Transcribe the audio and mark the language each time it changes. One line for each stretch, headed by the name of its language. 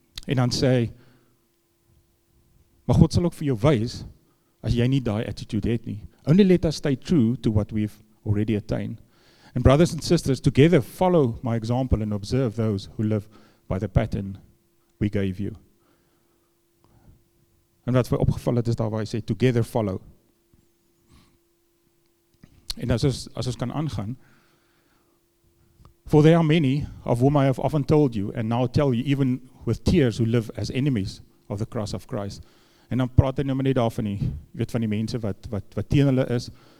Afrikaans: En dan sê hy, maar God sal ook vir jou wys as jy nie die attitude het nie.
English: Only let us stay true to what we've already attained. And brothers and sisters, together follow my example and observe those who live by the pattern we gave you.
Afrikaans: En wat vir opgevall het is daar waar hy sê,
English: together follow.
Afrikaans: En as ons kan aangaan,
English: for there are many of whom I have often told you and now tell you even with tears who live as enemies of the cross of Christ.
Afrikaans: En dan praat hy nou maar net daarvan nie, jy weet van die mense wat teen hulle is.